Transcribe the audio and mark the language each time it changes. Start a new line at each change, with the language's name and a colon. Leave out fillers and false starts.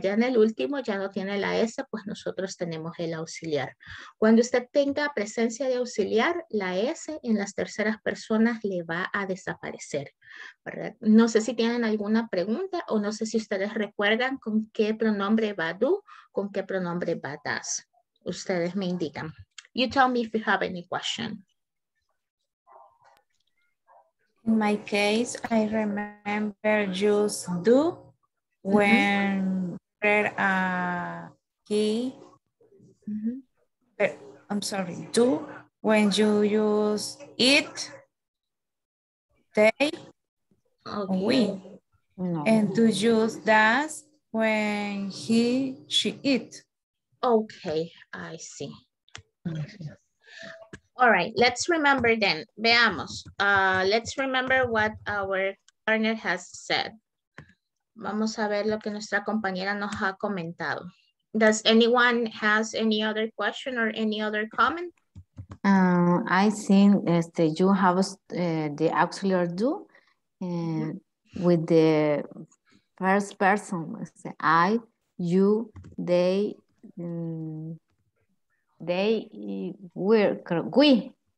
Spanish: Ya en el último, ya no tiene la S, pues nosotros tenemos el auxiliar. Cuando usted tenga presencia de auxiliar, la S en las terceras personas le va a desaparecer, ¿verdad? No sé si tienen alguna pregunta o no sé si ustedes recuerdan con qué pronombre va do, con qué pronombre va does. Ustedes me indican.
English: You tell me if you have any question. In my case, I remember just do when there he. I'm sorry, do when you use it, they, okay. We. No. And to use does when he, she, it. Okay, I see. All right, let's remember then.
Spanish: Veamos.
English: Let's remember what our partner has said.
Spanish: Vamos a ver lo que nuestra compañera nos ha comentado.
English: Does anyone has any other question or any other comment? I think you have the auxiliary do with the first person. I, you, they, they were we.